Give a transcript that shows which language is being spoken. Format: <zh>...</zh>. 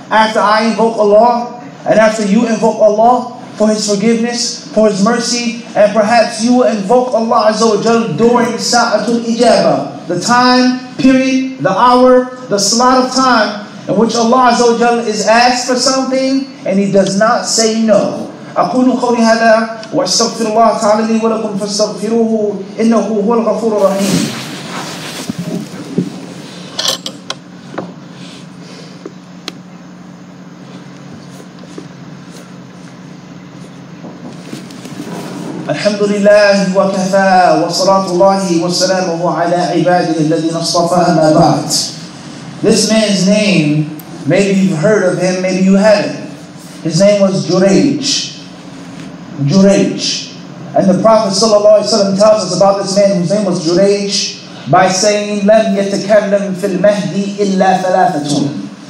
<en>After I invoke Allah, and after you invoke Allah for His forgiveness, for His mercy, and perhaps you will invoke Allah Azza wa Jal during Sa'atul Ijabah. The time, period, the hour, the slot of time in which Allah Azza wa Jal is asked for something and He does not say no.</en> <ar>أقول قولي هذا واستغفر الله تعالى لي ولكم فاستغفروه إنه هو الغفور الرحيم. الحمد لله وكفى وصلاة الله وسلامه على عباده الذين اصطفى أما بعد.</ar> <en>This man's name, maybe you've heard of him, maybe you haven't. His name was Jurayj. Jurayj. And the Prophet sallallahu alaihi wasallam tells us about this man whose name was Jurayj by saying</en> <ar>لم يتكلم في المهدي إلا ثلاثة.</ar>